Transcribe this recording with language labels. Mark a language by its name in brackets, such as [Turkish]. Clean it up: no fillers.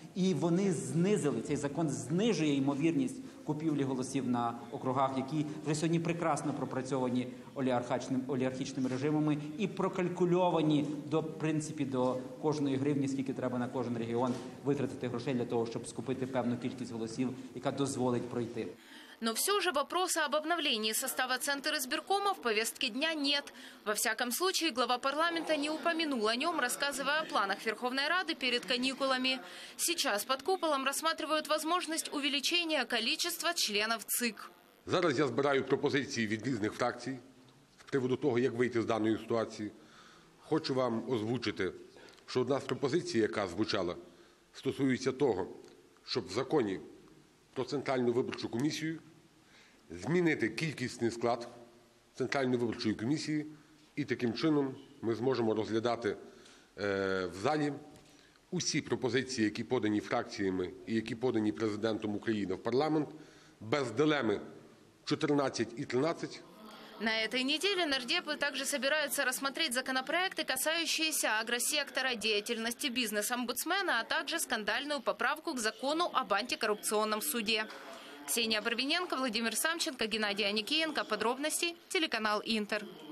[Ukrainian] І вони знизили, цей закон знижує ймовірність купівлі голосів на округах, які вже сьогодні прекрасно пропрацьовані олігархічними режимами і прокалькульовані, до, в принципі, до кожної гривні, скільки треба на кожен регіон витратити грошей для того, щоб скупити певну кількість голосів, яка дозволить пройти. [Russian] Но все же вопроса об обновлении состава Центризбиркома в повестке дня нет. Во всяком случае, глава парламента не упомянул о нем, рассказывая о планах Верховной Рады перед каникулами. Сейчас под куполом рассматривают возможность увеличения количества членов ЦИК. [Ukrainian] Зараз я збираю пропозиції від різних фракцій з приводу того, як вийти з даної ситуації. Хочу вам озвучити, що одна з пропозицій, яка звучала, стосується того, щоб в законі про Центральну виборчу комісію змінити кількісний склад Центральної виборчої комісії, і таким чином ми зможемо розглядати в залі усі пропозиції, які подані фракціями і які подані президентом України в парламент, без дилеми 14 і 13. [Russian] На этой неделе нардепы также собираются рассмотреть законопроекты, касающиеся агросектора, деятельности бизнес-омбудсмена, а также скандальную поправку к закону об антикоррупционном суде. Ксения Барвиненко, Владимир Самченко, Геннадий Аникеенко. Подробности, телеканал Интер.